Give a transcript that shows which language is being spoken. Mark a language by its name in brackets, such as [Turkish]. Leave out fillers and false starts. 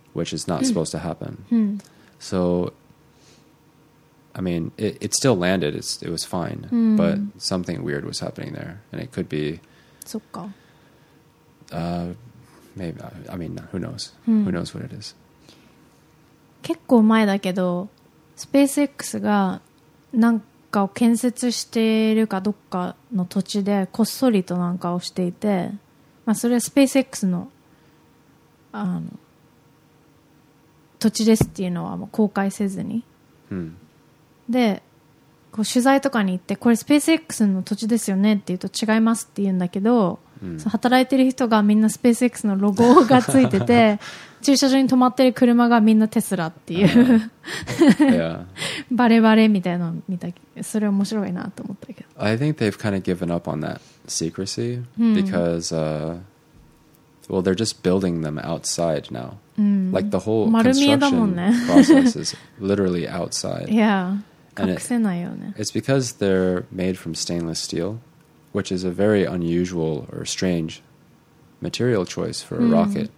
[English] Which is not supposed to happen.、 So, I mean, it still landed. It was fine.、But something weird was happening there. And it could be... [Japanese] そっか。 [English] Maybe, I mean, who knows?、Who knows what it is? [Japanese] 結構前だけど、SpaceX がなんかを建設しているかどっかの土地でこっそりとなんかをしていて、まあ、それは SpaceX の、土地ですっていうのはもう公開せずに、でこう取材とかに行ってこれスペース X の土地ですよねって言うと違いますって言うんだけど、働いてる人がみんなスペース X のロゴがついてて駐車場に止まってる車がみんなテスラっていう、バレバレみたいなの見た。それ面白いなと思ったけど、 [English] I think they've kind of given up on that secrecy、because、well, they're just building them outside now.、Like the whole construction、process is literally outside. [Japanese] Yeah. 隠せないよね。 [English] It's because they're made from stainless steel, which is a very unusual or strange material choice for a、rocket.